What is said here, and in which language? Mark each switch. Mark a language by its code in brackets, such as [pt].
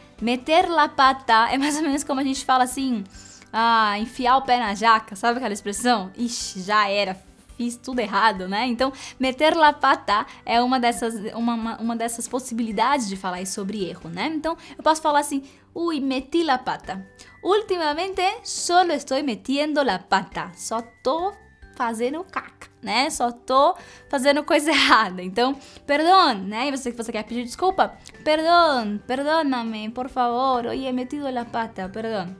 [pt] Meter la pata é mais ou menos como a gente fala assim, ah, enfiar o pé na jaca, sabe aquela expressão? Ixi, já era. Fiz tudo errado, né? Então, meter la pata é uma dessas possibilidades de falar sobre erro, né? Então, eu posso falar assim, ui, meti la pata. [es] Ultimamente, solo estoy metiendo la pata. [pt] Só tô fazendo caca, né? Só tô fazendo coisa errada. Então, perdón, né? E você quer pedir desculpa? [es] Perdón, perdóname, por favor. Oye, he metido la pata, perdón.